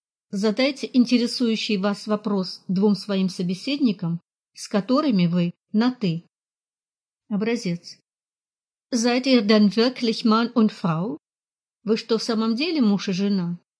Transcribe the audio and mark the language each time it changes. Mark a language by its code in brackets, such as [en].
[ru] Задайте интересующий вас вопрос двум своим собеседникам, с которыми вы на «ты». Образец. [de] Seid ihr denn wirklich Mann und Frau? [ru] Вы что, в самом деле муж и жена?